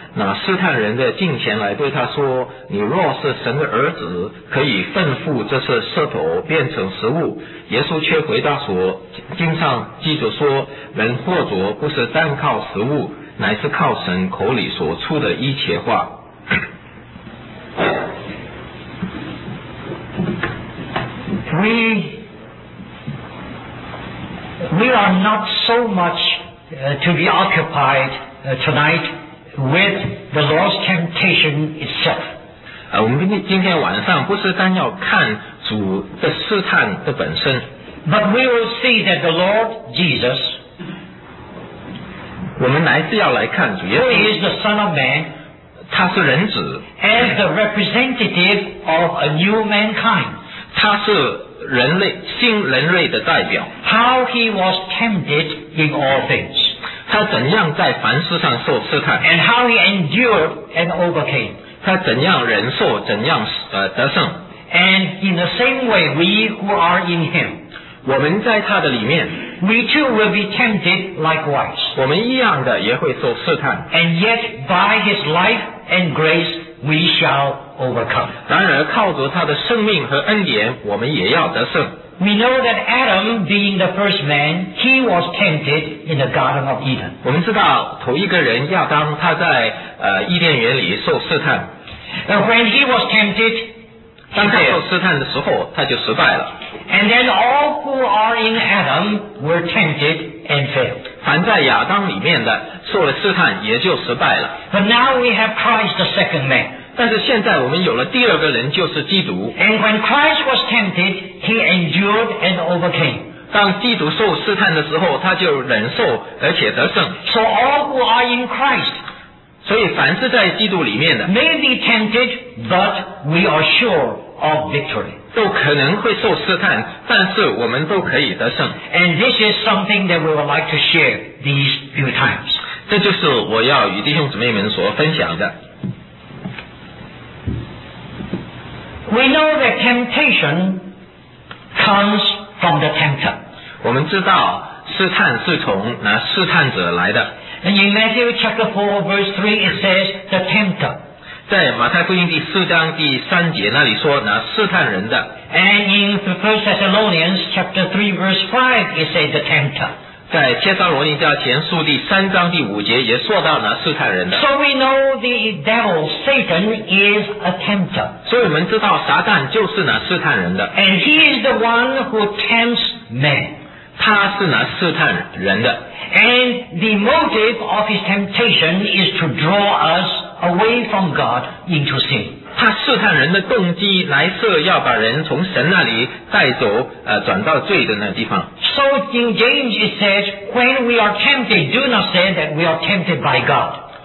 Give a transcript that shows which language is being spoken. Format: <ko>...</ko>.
<zh>那试探人的近前来对他说，你若是神的儿子，可以吩咐这些石头变成食物。耶稣却回答说，经上记着说，人活着不是单靠食物，乃是靠神口里所出的一切话。</zh> <en>We are not so much to be occupied tonight with the Lord's temptation itself.</en> <zh>我们今天晚上不是单要看主的试探的本身。</zh> <en>But we will see that the Lord Jesus,</en> <zh>我们来是要来看主耶稣。</zh> <en>Who is the Son of Man?</en> <zh>他是人子。</zh> <en>As the representative of a new mankind.</en> <zh>他是人类新人类的代表。</zh> <en>How he was tempted in all things.</en> <zh>他怎样在凡事上受试探。</zh> <en>And how he endured and overcame.</en> <zh>他怎样忍受，怎样得胜。</zh> <en>And in the same way, we who are in him.</en> <zh>我们在他的里面。</zh> <en>We too will be tempted likewise.</en> <zh>我们一样的也会受试探。</zh> <en>And yet by his life and grace, we shall overcome.</en> <zh>当然靠着他的生命和恩典，我们也要得胜。</zh> <en>We know that Adam, being the first man, he was tempted in the Garden of Eden.</en> <zh>我们知道头一个人亚当，他在伊甸园里受试探。</zh> <en>And when he was tempted,</en> <zh>当他受试探的时候，他就失败了。</zh> <en>And then all who are in Adam were tempted and failed.</en> <zh>凡在亚当里面的受了试探，也就失败了。</zh> <en>But now we have Christ, the second man.</en> <zh>但是现在我们有了第二个人，就是基督。</zh> <en>And when Christ was tempted, he endured and overcame.</en> <zh>当基督受试探的时候，他就忍受而且得胜。</zh> <en>So all who are in Christ,</en> <zh>所以凡是在基督里面的</zh> <en>may be tempted, but we are sure of victory.</en> <zh>都可能会受试探，但是我们都可以得胜。</zh> <en>And this is something that we would like to share these few times.</en> <zh>这就是我要与弟兄姊妹们所分享的。</zh> <en>We know that temptation comes from the tempter.</en> <zh>我们知道试探是从那试探者来的。</zh> <en>And in Matthew chapter 4 verse 3 it says the tempter.</en> <zh>在马太福音第四章第三节那里说那试探人的。</zh> <en>And in 1 Thessalonians chapter 3 verse 5 it says the tempter.</en> <zh>在帖撒罗尼迦前书第三章第五节也说到呢试探人的。</zh> <en>So we know the devil, Satan, is a tempter.</en> <zh>所以我们知道撒旦就是呢试探人的。</zh> <en>And he is the one who tempts men.</en> <zh>他是呢试探人的。</zh> <en>And the motive of his temptation is to draw us away from God into sin.</en> <zh>他试探人的动机来是要把人从神那里带走转到罪的那地方。</zh> <en>So in James it says, when we are tempted, do not say that we are tempted by God.</en>